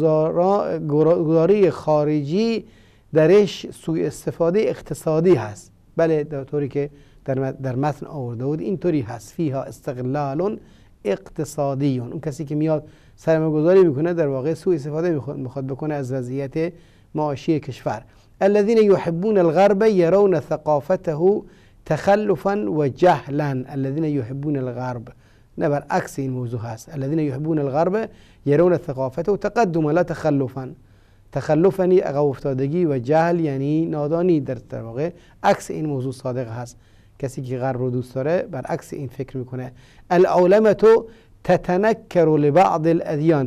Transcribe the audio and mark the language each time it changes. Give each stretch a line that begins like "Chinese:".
Persian: سرمایه گذاری خارجی درش سوء استفاده اقتصادی هست. بله، در طوری که در متن آورده بود این طوری هست،
Arabic: فیها استغلال اقتصادی.
Persian: اون کسی که میاد سرمایه گذاری میکنه در واقع سوء استفاده میخواد بکنه از وضعیت معاشی کشور.
Arabic: الذين يحبون الغرب يرون ثقافته تخلفا وجهلا. الذين يحبون الغرب،
Persian: نه برعکس این موضوع هست،
Arabic: الذين يحبون الغرب يرون ثقافته تقدما لا تخلفا.
Persian: تخلف یعنی عقب افتادگی و جهل یعنی نادانی. در واقع عکس این موضوع صادق هست، کسی که غرب رو دوست داره برعکس این فکر میکنه.
Arabic: العلمه تتنکر لبعض الادیان.